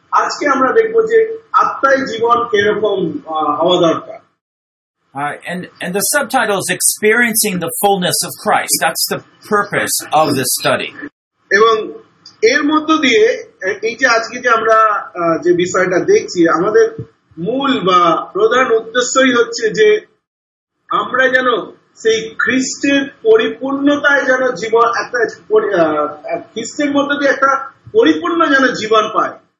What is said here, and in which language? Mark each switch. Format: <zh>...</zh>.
<bn>আজকে আমরা দেখবো যে আত্মায় জীবন কিরকম হওয়া দরকার.</bn> <en>And the subtitle is Experiencing the Fullness of Christ. That's the purpose of this study.</en> <bn>এবং এর মধ্য দিয়ে এই যে আজকে যে আমরা যে বিষয়টা দেখছি আমাদের মূল বা প্রধান উদ্দেশ্যই হচ্ছে যে আমরা যেন সেই খ্রিস্টের পরিপূর্ণতায় যেন জীবন একটা খ্রিস্টের মধ্য দিয়ে একটা পরিপূর্ণ যেন জীবন পায়.</bn>